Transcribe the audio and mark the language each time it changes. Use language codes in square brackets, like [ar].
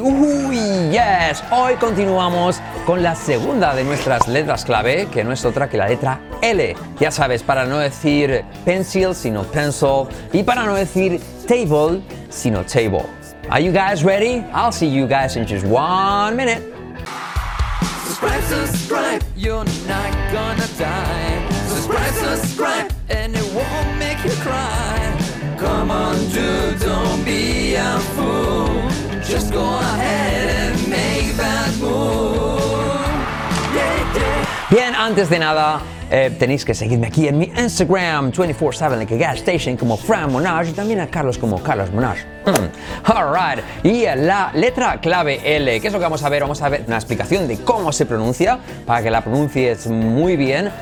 [es] Uy, yes, hoy continuamos con la segunda de nuestras letras clave, que no es otra que la letra L. Ya sabes, para no decir pencil, sino pencil, y para no decir table, sino table. [en] Are you guys ready? I'll see you guys in just 1 minute. Subscribe, you're not gonna die. Subscribe, and it won't make you cry. Come on, dude, don't be a fool. Just go ahead and make that move. Yeah, yeah. [es] Bien, antes de nada, tenéis que seguirme aquí en mi Instagram 24/7 [en] like a gas station [es] como Fran Monash y también a Carlos como Carlos Monash. Alright, y la letra clave L, ¿qué es lo que vamos a ver? Vamos a ver una explicación de cómo se pronuncia para que la pronuncies muy bien.